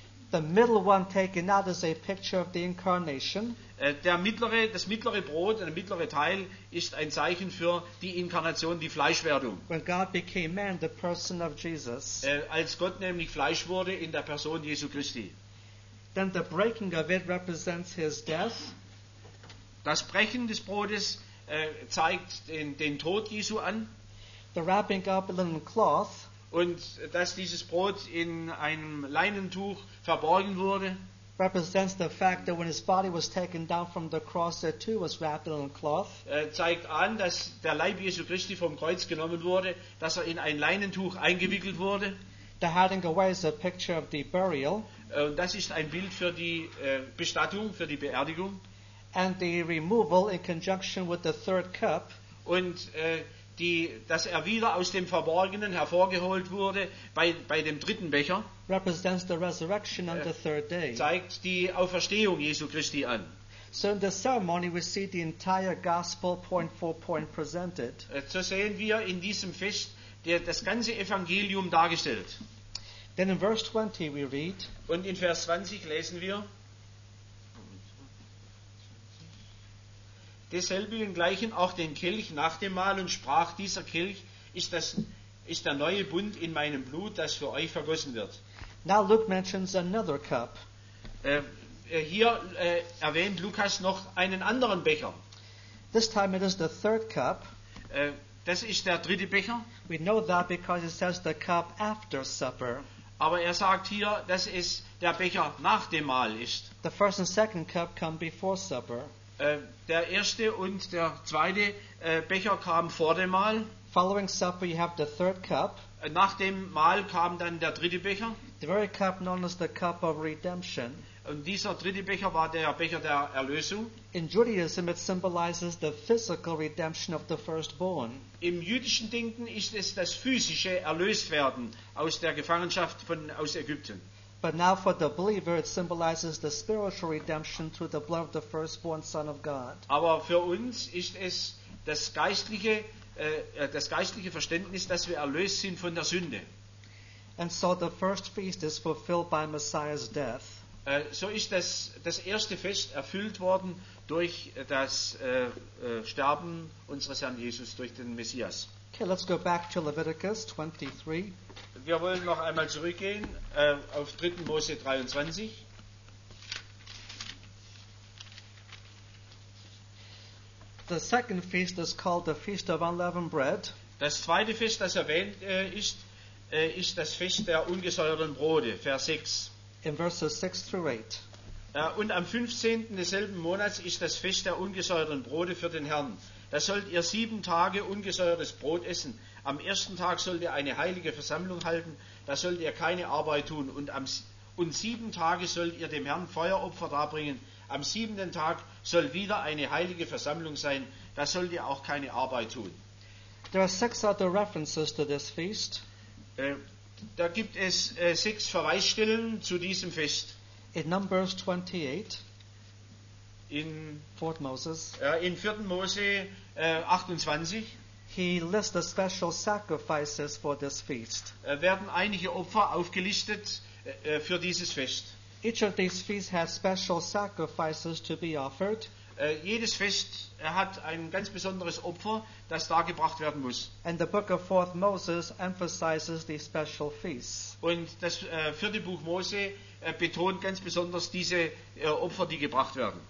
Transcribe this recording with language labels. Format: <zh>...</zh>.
<en>The middle one taken out is a picture of the incarnation.</en> <de>Das mittlere Brot, der mittlere Teil, ist ein Zeichen für die Inkarnation, die Fleischwerdung.</de> <en>When God became man, the person of Jesus.</en> <de>Als Gott nämlich Fleisch wurde in der Person Jesu Christi.</de> <en>Then the breaking of it represents his death.</en> <de>Das Brechen des Brotes zeigt den Tod Jesu an.</de> <en>The wrapping up in linen cloth.</en> <de>Und dass dieses Brot in einem Leinentuch verborgen wurde,</de> <en>represents the fact that when his body was taken down from the cross, there too was wrapped in a cloth.</en> <de>Zeigt an, dass der Leib Jesu Christi vom Kreuz genommen wurde, dass in ein Leinentuch eingewickelt wurde.</de> <en>The hiding away is a picture of the burial.</en> <de>Und das ist ein Bild für die Bestattung, für die Beerdigung.</de> <en>And the removal in conjunction with the third cup.</en> <de>Und dass er wieder aus dem Verborgenen hervorgeholt wurde bei dem dritten Becher,</de> <en>represents the resurrection on the third day.</en> <de>Zeigt die Auferstehung Jesu Christi an.</de> <en>So in the ceremony we see the entire gospel point for point presented.</en> <de>So sehen wir in diesem Fest das ganze Evangelium dargestellt.</de> <en>Then in verse 20 we read,</en> <de>und in Vers 20 lesen wir, desselben gleichen auch den Kelch nach dem Mahl und sprach, dieser Kelch ist der neue Bund in meinem Blut, das für euch vergossen wird.</de> <en>Now Luke mentions another cup.</en> <de>Hier erwähnt Lukas noch einen anderen Becher.</de> <en>This time it is the third cup.</en> <de>Das ist der dritte Becher.</de> <en>We know that because it says the cup after supper.</en> <de>Aber er sagt hier, dass es der Becher nach dem Mahl ist.</de> <en>The first and second cup come before supper.</en> <de>Der erste und der zweite Becher kamen vor dem Mahl.</de> <en>Following supper you have the third cup.</en> <de>Nach dem Mahl kam dann der dritte Becher.</de> <en>The very cup known as the cup of redemption.</en> <de>Und dieser dritte Becher war der Becher der Erlösung.</de> <en>In Judaism it symbolizes the physical redemption of the firstborn.</en> <de>Im jüdischen Denken ist es das physische Erlöstwerden aus der Gefangenschaft aus Ägypten.</de> <en>But now for the believer it symbolizes the spiritual redemption through the blood of the firstborn son of God.</en> <de>Aber für uns ist es das geistliche Verständnis, dass wir erlöst sind von der Sünde.</de> <en>And so the first feast is fulfilled by Messiah's death.</en> <de>So ist das erste Fest erfüllt worden durch das Sterben unseres Herrn Jesus, durch den Messias.</de> <en>Okay, let's go back to Leviticus 23.</en> <de>Wir wollen noch einmal zurückgehen auf 3. Mose 23.</de> <en>The second feast is called the Feast of Unleavened Bread.</en> <de>Das zweite Fest, das erwähnt ist das Fest der ungesäuerten Brote, Vers 6.</de> <en>In verses 6 through 8.</en> <de>Und am 15. desselben Monats ist das Fest der ungesäuerten Brote für den Herrn. Da sollt ihr 7 Tage ungesäuertes Brot essen. Am ersten Tag sollt ihr eine heilige Versammlung halten. Da sollt ihr keine Arbeit tun. Und 7 Tage sollt ihr dem Herrn Feueropfer darbringen. Am 7. Tag soll wieder eine heilige Versammlung sein. Da sollt ihr auch keine Arbeit tun.</de> <en>There are 6 other references to this feast.</en> <de>Da gibt es 6 Verweisstellen zu diesem Fest.</de> <en>In Numbers 28,</en> <de>in 4. Mose 28,</de> <en>he lists the special sacrifices for this feast.</en> <de>Werden einige Opfer aufgelistet für dieses Fest.</de> <en>Each of these feasts has special sacrifices to be offered.</en> <de>Jedes Fest hat ein ganz besonderes Opfer, das dargebracht werden muss.</de> <en>And the book of 4th Moses emphasizes the special feasts.</en> <de>Und das vierte Buch Mose betont ganz besonders diese Opfer, die gebracht werden.</de>